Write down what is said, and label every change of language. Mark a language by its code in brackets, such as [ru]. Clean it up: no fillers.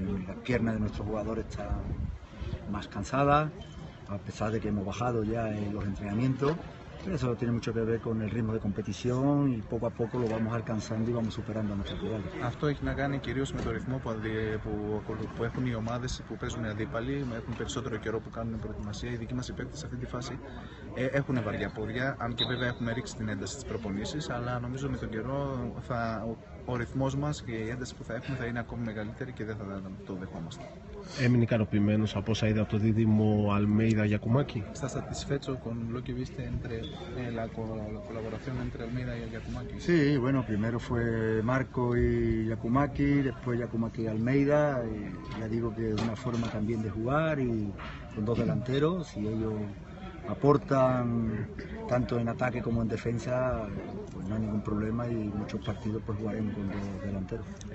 [es] La pierna de nuestro jugador está más cansada, a pesar de que hemos bajado ya en los entrenamientos. Eso tiene mucho que ver con el ritmo de competición y poco a poco lo vamos alcanzando y vamos superando a nuestros rivales. [el] Αυτό έχει να κάνει κυρίως με το ρυθμό που έχουν οι ομάδες που παίζουν αντίπαλοι, έχουν περισσότερο καιρό που κάνουν προετοιμασία. Οι δικοί μας παίκτες σε αυτή τη φάση έχουν βαριά πόδια, αν και βέβαια έχουμε ρίξει την ένταση στις προπονήσεις, αλλά νομίζω με τον καιρό ο ρυθμός μας και η ένταση που θα έχουμε θα είναι ακόμη μεγαλύτερη και δεν θα το δεχόμαστε. Έμεινε ικανοποιημένο από όσα είδα από το δίδυμο Almeida Giacumaki. [es] Está satisfecho con lo que viste entre la colaboración entre Almeida y Giacumaki. Sí, bueno, primero fue Marco y Giacumaki, después Giacumaki y Almeida. Y ya digo que es una forma también de jugar y con dos delanteros. Y ellos aportan tanto en ataque como en defensa, pues no hay ningún problema y muchos partidos pues jugaremos con dos delanteros.